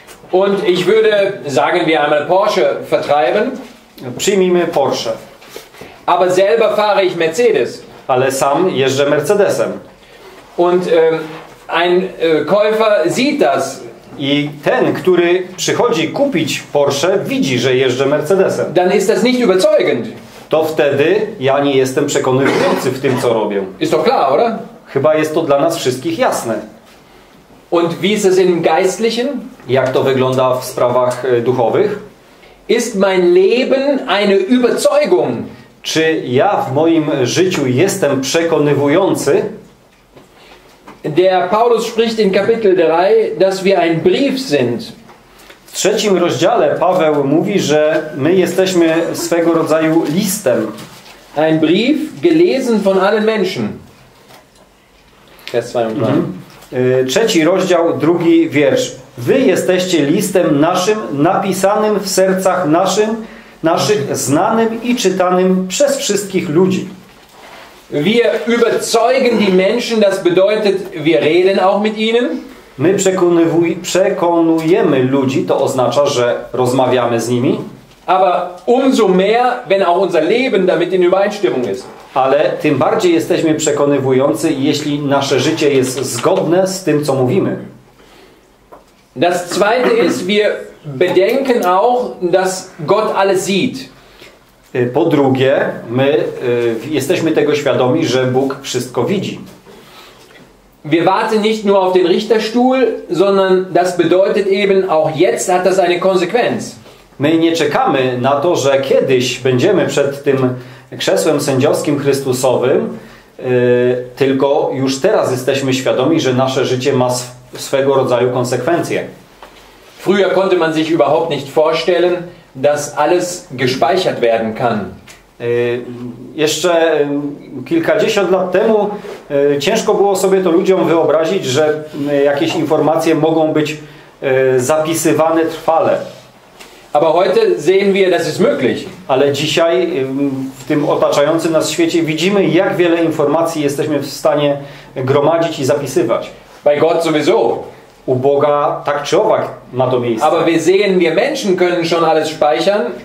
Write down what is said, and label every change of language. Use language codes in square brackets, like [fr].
[de] Und ich würde, sagen wir einmal, Porsche vertreiben. [pl] Przyjmijmy Porsche. [de] Aber selber fahre ich Mercedes. [pl] Ale sam jeżdżę Mercedesem. [de] Und ein Käufer sieht das. [pl] I ten, który przychodzi kupić Porsche, widzi, że jeżdżę Mercedesem. [de] Dann ist das nicht überzeugend. [pl] To wtedy ja nie jestem przekonujący w tym, co robię. [de] Ist doch klar, oder? [pl] Chyba jest to dla nas wszystkich jasne. [de] Und wie ist es im Geistlichen? [pl] Jak to wygląda w sprawach duchowych? [de] Ist mein Leben eine Überzeugung? [pl] Czy ja w moim życiu jestem przekonywujący? [de] Der Paulus spricht in Kapitel 3, dass wir ein Brief sind. [pl] W trzecim rozdziale Paweł mówi, że my jesteśmy swego rodzaju listem. [de] Ein Brief gelesen von allen Menschen. Vers 2 und 3. Mhm. [pl] Trzeci rozdział, drugi wiersz. Wy jesteście listem naszym, napisanym w sercach naszych znanym i czytanym przez wszystkich ludzi. [de] Wir überzeugen die Menschen, das bedeutet, wir reden auch mit ihnen. [pl] My przekonujemy ludzi, to oznacza, że rozmawiamy z nimi. [de] Aber umso mehr, wenn auch unser Leben damit in Übereinstimmung ist. [pl] Ale tym bardziej jesteśmy przekonywujący, jeśli nasze życie jest zgodne z tym, co mówimy. [de] Das zweite ist, wir bedenken auch, dass Gott alles sieht. [pl] Po drugie, my jesteśmy tego świadomi, że Bóg wszystko widzi. [de] Wir warten nicht nur auf den Richterstuhl, sondern das bedeutet eben, auch jetzt hat das eine Konsequenz. [pl] My nie czekamy na to, że kiedyś będziemy przed tym krzesłem sędziowskim Chrystusowym, tylko już teraz jesteśmy świadomi, że nasze życie ma swego rodzaju konsekwencje. [de] Früher konnte man sich überhaupt nicht vorstellen, dass alles gespeichert werden kann. [pl] Jeszcze kilkadziesiąt lat temu ciężko było sobie to ludziom wyobrazić, że jakieś informacje mogą być zapisywane trwale. [de] Aber heute sehen wir, dass es möglich. [pl] Ale dzisiaj w tym otaczającym nas świecie widzimy, jak wiele informacji jesteśmy w stanie gromadzić i zapisywać. [de] Bei Gott sowieso. [pl] U Boga tak czy owak ma to miejsce. [de] Aber wir sehen, wir Menschen können schon alles speichern.